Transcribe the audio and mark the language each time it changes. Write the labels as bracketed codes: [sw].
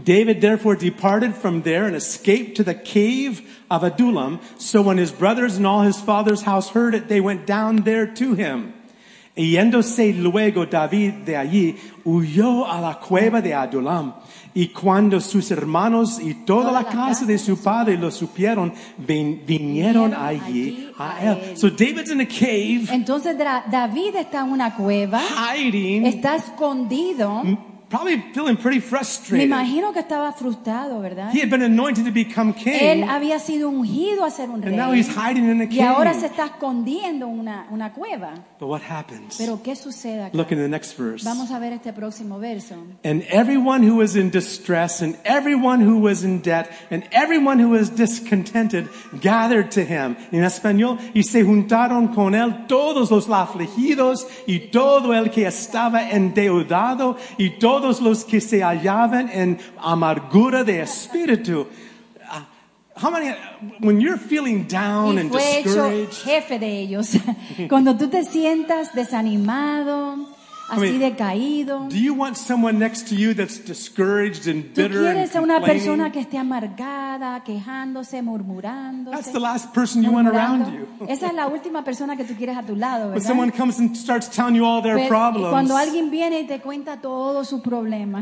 [en] David therefore departed from there and escaped to the cave of Adullam. So when his brothers and all his father's house heard it, they went down there to him. [es] Yéndose luego David de allí, huyó a la cueva de Adullam. Y cuando sus hermanos y toda la casa de su padre lo supieron, vinieron allí a él. [en] So David's in a cave. [es] Entonces David está en una cueva. [en] Hiding. [es] Está escondido. [en] Probably feeling pretty frustrated. [es] Me imagino que estaba frustrado, ¿verdad? [en] He had been anointed to become king. [es] Él había sido ungido a ser un rey. [en] And now he's hiding in a cave. [es] Y ahora se está escondiendo en una cueva. [en] But what happens? [es] Pero ¿qué sucede acá? [en] Look in the next verse. [es] Vamos a ver este próximo verso. [en] And everyone who was in distress and everyone who was in debt and everyone who was discontented gathered to him. [es] En español, y se juntaron con él todos los afligidos y todo el que estaba endeudado y todos los que se hallaban en amargura de espíritu. [en] How many, when you're feeling down and discouraged. [es] Y fue hecho jefe de ellos. Cuando tú te sientas desanimado, así [en] I mean, [es] decaído. [en] Do you want someone next to you that's discouraged and bitter and complaining? [es] ¿Tú quieres una persona que esté amargada, quejándose, murmurándose? [en] That's the last person you want around you. [es] Esa es la última persona que tú quieres a tu lado, ¿verdad? [en] When someone comes and starts telling you all their problems. [es] Cuando alguien viene y te cuenta todos sus problemas.